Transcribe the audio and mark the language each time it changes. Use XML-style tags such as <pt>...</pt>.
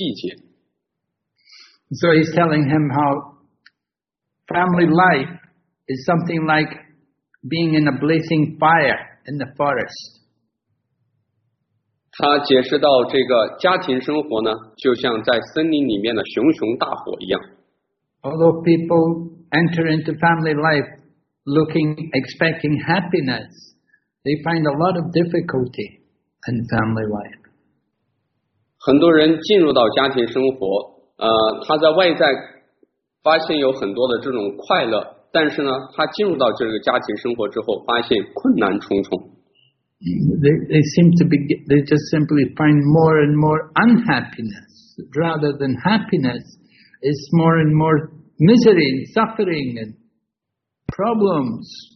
<zh>所以加德巴拉塔就向马哈拉就解又一次解释了物质世界的这些本性，讲述了很多的细节。So</zh> <en>he's telling him how family life is something like being in a blazing fire in the forest.</en> <zh>他解释到这个家庭生活呢，就像在森林里面的熊熊大火一样。Although</zh> <en>people enter into family life looking, expecting happiness, they find a lot of difficulty in family life.</en> <zh>很多人进入到家庭生活，他在外在发现有很多的这种快乐，但是呢，他进入到这个家庭生活之后，发现困难重重。</zh> <en>They just simply find more and more unhappiness rather than happiness. It's more and more misery and suffering and problems.</en>